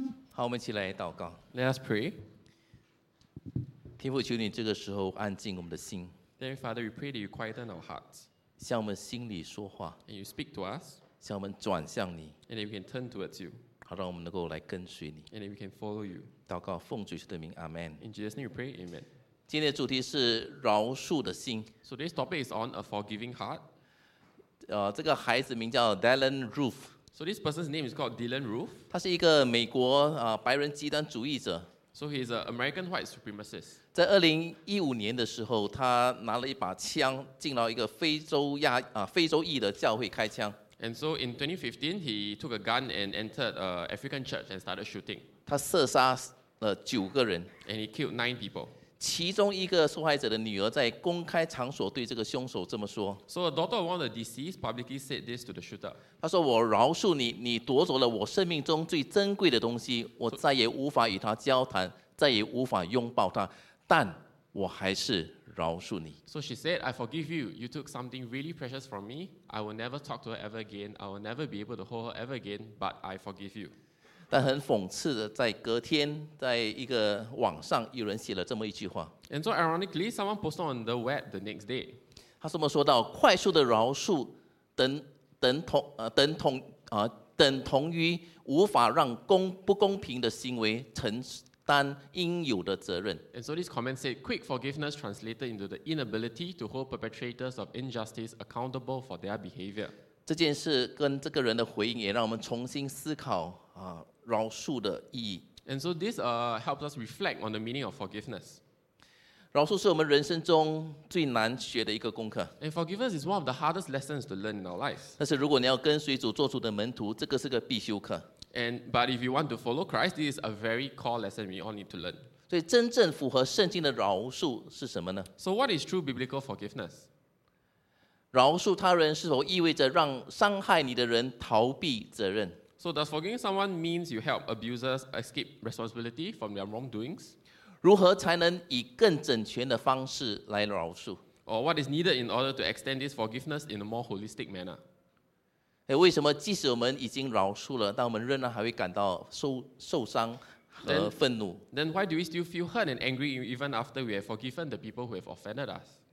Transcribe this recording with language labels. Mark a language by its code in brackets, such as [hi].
[zh] 好，我们一起来祷告。 [en] Let us pray. [zh] 天父，求你这个时候安静我们的心。 [en] Then Father, we pray that you quieten our hearts. [zh] 向我们心里说话。 [en] And you speak to us. [zh] 向我们转向你。 [en] And we can turn towards you. [zh] 好，让我们能够来跟随你。 [en] And we can follow you. [zh] 祷告奉主耶稣的名， Amen. [en] In Jesus' name, we pray, Amen. [zh] 今天的主题是饶恕的心。 [en] So this topic is on a forgiving heart. [zh] 这个孩子名叫 Dylan Roof。 [en] So this person's name is called Dylan Roof. [zh] 他是一个美国白人极端主义者。 [en] So he's an American white supremacist. [zh] 在2015年的时候，他拿了一把枪进了一个非洲裔的教会开枪。 [en] And so in 2015, he took a gun and entered an African church and started shooting. [zh] 他射杀了9个人。 [en] And he killed 9 people. [zh] 其中一个受害者的女儿在公开场所对这个凶手这么说。 [en] So a daughter of one of the deceased publicly said this to the shooter. [zh] 他说，我饶恕你，你夺走了我生命中最珍贵的东西，我再也无法与他交谈，再也无法拥抱他，但我还是饶恕你。 [en] So she said, I forgive you. You took something really precious from me. I will never talk to her ever again. I will never be able to hold her ever again, but I forgive you. [zh] 但很讽刺的，在隔天，在一个网上，有人写了这么一句话。 [en] And so ironically, someone posted on the web the next day. [zh] 他这么说到，快速的饶恕等同于无法让不公平的行为承担应有的责任。 [en] And so this comment said, quick forgiveness translated into the inability to hold perpetrators of injustice accountable for their behavior. [zh] 这件事跟这个人的回应也让我们重新思考饶恕的意义。 [en] And so this helps us reflect on the meaning of forgiveness. [zh] 饶恕是我们人生中最难学的一个功课。 [en] And forgiveness is one of the hardest lessons to learn in our life. [zh] 但是如果你要跟随主做主的门徒，这个是个必修课。 [en] But if you want to follow Christ, this is a very core lesson we all need to learn. [zh] 所以真正符合圣经的饶恕是什么呢？ [en] So what is true biblical forgiveness? [zh] 饶恕他人是否意味着让伤害你的人逃避责任？ [en] So does forgiving someone means you help abusers escape responsibility from their wrongdoings? [zh] 如何才能以更整全的方式来饶恕？ [en] Or what is needed in order to extend this forgiveness in a more holistic manner? [zh] 为什么即使我们已经饶恕了，但我们仍然还会感到受伤和愤怒？ [en] Then why do we still feel hurt and angry even after we have forgiven the people who have offended us?